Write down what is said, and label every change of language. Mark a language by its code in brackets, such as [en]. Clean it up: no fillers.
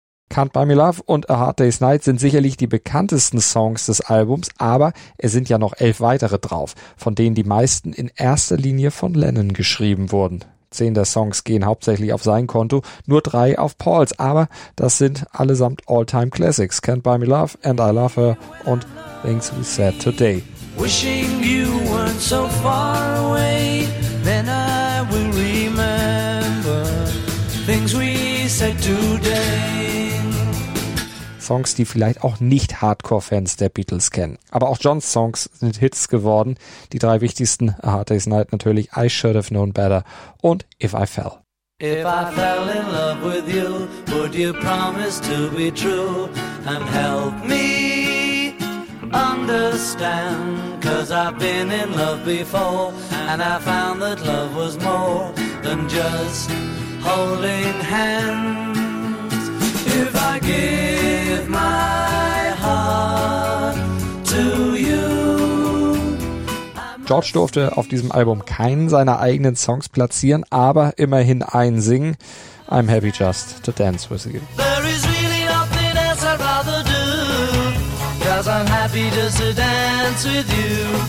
[de] Can't Buy Me Love und A Hard Day's Night sind sicherlich die bekanntesten Songs des Albums, aber es sind ja noch 11 weitere drauf, von denen die meisten in erster Linie von Lennon geschrieben wurden. 10 der Songs gehen hauptsächlich auf sein Konto, nur 3 auf Pauls, aber das sind allesamt All-Time Classics. Can't Buy Me Love, And I Love Her und Things We Said Today. [en] Wishing you weren't so far away, then I will remember things we said today. [de] Songs, die vielleicht auch nicht Hardcore-Fans der Beatles kennen. Aber auch Johns Songs sind Hits geworden. Die 3 wichtigsten, A Hard Day's Night natürlich, I Should Have Known Better und If I Fell. [en] If I fell in love with you, would you promise to be true and help me understand, cause I've been in love before and I found that love was more than just holding hands. If I give my heart to you, I'm [de] George durfte auf diesem Album keinen seiner eigenen Songs platzieren, aber immerhin einen singen. [en] I'm happy just to dance with you. There is really nothing else I'd rather do, 'cause I'm happy just to dance with you.